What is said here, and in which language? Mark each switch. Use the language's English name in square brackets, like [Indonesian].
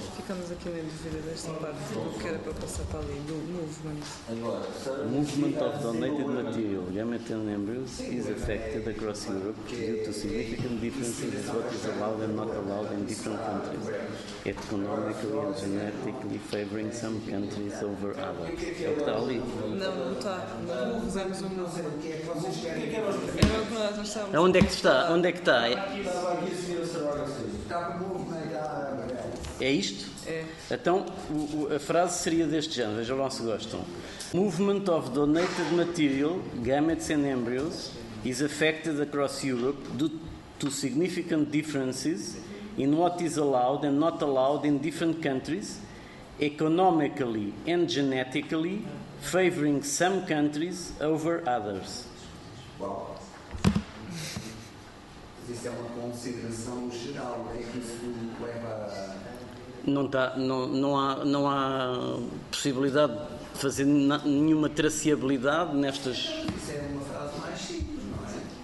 [Portuguese] Ficamos aqui na dúvida desta parte do que era para passar para ali, do movement. [English] Movement of donated material, gametal and embryos, is affected across Europe due to significant differences in what is allowed and not allowed in different countries, economically and genetically favoring some countries over others. [Portuguese] É o que está ali? Não, não está. Não usamos o movement. Onde é que está? Onde é que está? É isto? É. Então, a frase seria deste género, vejam lá se gostam. [English] Movement of donated material, gametes and embryos, is affected across Europe due to significant differences in what is allowed and not allowed in different countries, economically and genetically, favoring some countries over others. Wow. [Portuguese] Isso é uma consideração geral, é que isso leva a. Não há possibilidade de fazer nenhuma traceabilidade nestas. Isso é uma frase mais simples, não é?